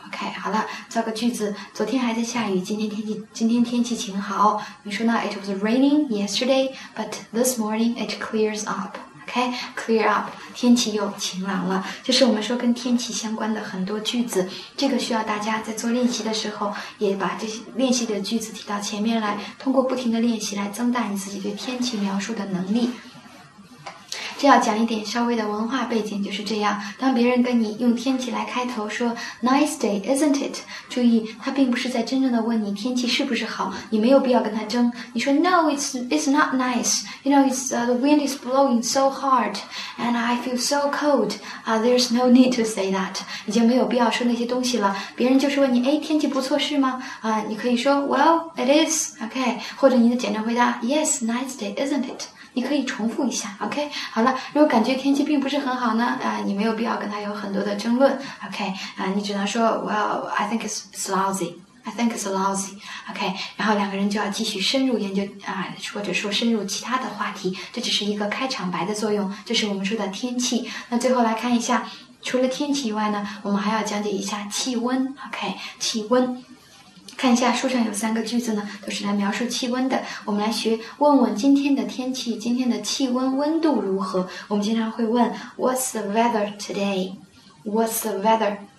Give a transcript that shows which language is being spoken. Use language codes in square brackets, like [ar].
[zh] OK， 好了，造个句子，昨天还在下雨，今天天气晴好。你说呢？ [en] It was raining yesterday but this morning it clears up。 [zh] OK， clear up， 天气又晴朗了，就是我们说跟天气相关的很多句子。这个需要大家在做练习的时候也把这些练习的句子提到前面来，通过不停的练习来增大你自己对天气描述的能力。这要讲一点稍微的文化背景，就是这样，当别人跟你用天气来开头说 [en] Nice day, isn't it? [zh] 注意他并不是在真正的问你天气是不是好，你没有必要跟他争。你说 [en] No, it's not nice. You know, the wind is blowing so hard and I feel so cold. There's no need to say that. [zh] 已经没有必要说那些东西了。别人就是问你，哎，天气不错是吗？你可以说 [en] Well, it is. OK, [zh] 或者你的简单回答 [en] Yes, nice day, isn't it? [zh] 你可以重复一下。 OK， 好了，如果感觉天气并不是很好呢，你没有必要跟他有很多的争论。 [en] OK， [zh] 你只能说 [en] Well, I think it's lousy, I think it's lousy。 [zh] OK， 然后两个人就要继续深入研究或者说深入其他的话题，这只是一个开场白的作用，这是我们说的天气。那最后来看一下，除了天气以外呢，我们还要讲解一下气温。 OK， 气温，看一下书上有三个句子呢，都是来描述气温的。我们来学问问今天的天气，今天的气温温度如何。我们经常会问 [en] What's the weather today? What's the weather?